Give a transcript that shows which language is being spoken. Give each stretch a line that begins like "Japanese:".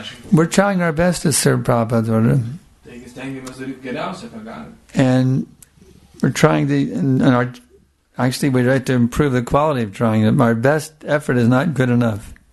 English: we're trying our best to serve Prabhupada's order.
Lithuanian: Taigi stengiamės daryti geriausia, ką galime.
English: And we're trying to, and our, actually we'd like to improve the quality of trying it. Our best effort is not good enough.